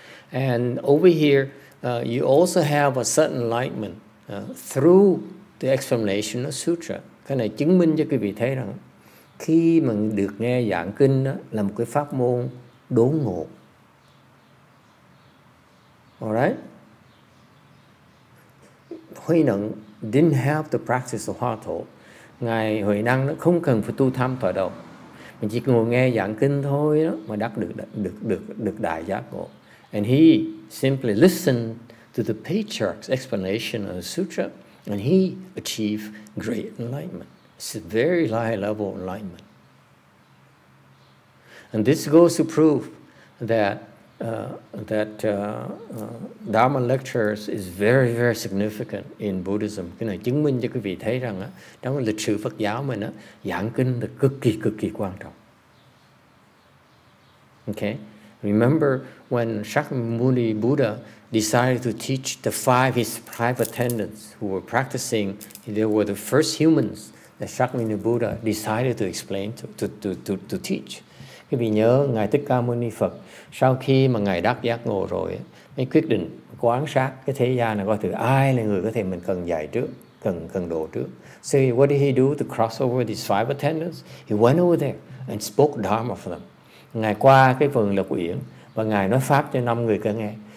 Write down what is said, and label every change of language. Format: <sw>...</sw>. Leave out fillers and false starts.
<en>And over here you also have a certain enlightenment through the explanation of sutra.</en> <vi>Cái này chứng minh cho quý vị thấy rằng khi mà được nghe giảng kinh đó, là một cái pháp môn đốn ngộ.</vi> <en>Alright? Huệ Năng didn't have to practice the hoa thổ.</en> <vi>Ngài Huệ Năng nó không cần phải tu tham thọ đầu. Mình chỉ ngồi nghe giảng kinh thôi đó, mà đắc được đại giác ngộ.</vi> <en>And he simply listened to the patriarch's explanation of the sutra, and he achieved great enlightenment. It's a very high level enlightenment. And this goes to prove that Dharma lectures is very, very significant in Buddhism.</en> <vi>Cái này chứng minh cho quý vị thấy rằng trong lịch sử Phật giáo mình giảng kinh là cực kỳ quan trọng.</vi> <en>Okay? Remember when Shakyamuni Buddha decided to teach the five his five attendants who were practicing, they were the first humans that Shakyamuni Buddha decided to explain to teach.</en> <vi>Quý vị nhớ Ngài Thích Ca Mâu Ni Phật sau khi mà Ngài đắc giác ngộ rồi mới quyết định quán sát cái thế gian này coi thử ai là người có thể mình cần dạy trước, cần đổ trước.</vi> <en>So what did he do to cross over these five attendants? He went over there and spoke Dharma for them.</en> <vi>Ngài qua cái vườn lộc uyển và Ngài nói pháp cho năm người kia nghe.</vi>